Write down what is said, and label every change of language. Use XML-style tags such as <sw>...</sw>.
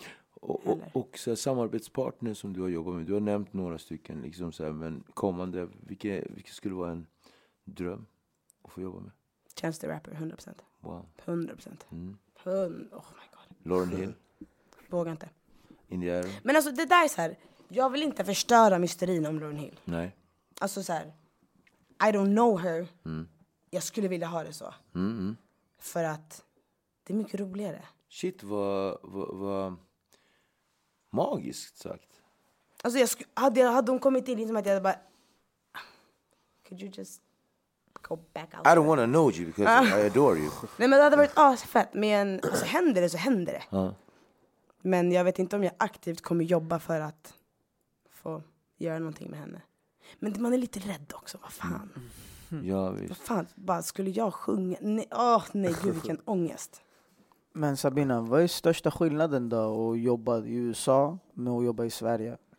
<sv>Och så här, samarbetspartner som du har jobbat med. Du har nämnt några stycken liksom så här, men kommande, vilka skulle vara en dröm att få jobba med?</sv> <en>Chance the Rapper, 100%. Wow. 100%. Oh my god. Lauryn Hill.</en> <sv>Vågar inte. Indiana. Men alltså det där är så här, jag vill inte förstöra mysterin om Lauryn Hill. Nej. Alltså så här,</sv> <en>I don't know her. Mm.</en> <sv>Jag skulle vilja ha det så. Mm-hmm. För att det är mycket roligare. Shit, vad magiskt sagt. Alltså hade de kommit in liksom att jag bara...</sv> <en>Could you just go back out? I don't want to know you because I adore you.</en> <sv>Nej, men det hade varit asfett. Men alltså, händer det så händer det. Men jag vet inte om jag aktivt kommer jobba för att få göra någonting med henne. Men man är lite rädd också, vad fan. Mm. Ja, visst. Vad fan, bara skulle jag sjunga? Nej, gud, vilken ångest. Men Sabina, vad är största skillnaden då att jobba i USA med att jobba i Sverige?</sv>